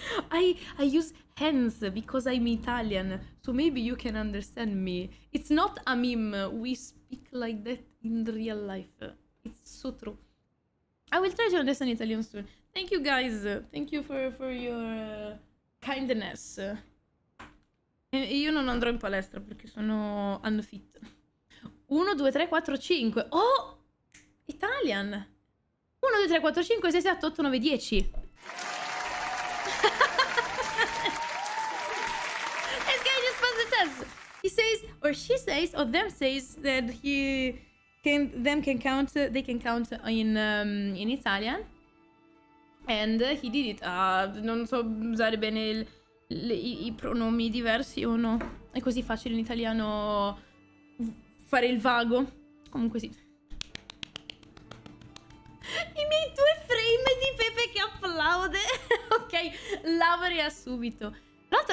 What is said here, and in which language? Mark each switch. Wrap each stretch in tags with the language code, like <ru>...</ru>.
<en>I use hands because I'm Italian, so maybe you can understand me. It's not a meme, we speak like that in real life. It's so true. I will try to understand Italian soon. Thank you guys, thank you for your kindness.</en> <it>E io non andrò in palestra perché sono unfit.</it> <en>1 2 3 4 5. Oh, Italian. 1, 2, 3, 4, 5, 6, 7, 8, 9, 10. This guy just passed the test. He says, or she says, or them says that they can count in Italian. And he did it.</en> <it>Non so usare bene i pronomi diversi o no. È così facile in italiano fare il vago. Comunque sì. I miei due frame di Pepe che applaude. Ok, lavora subito. Tra l'altro,</it>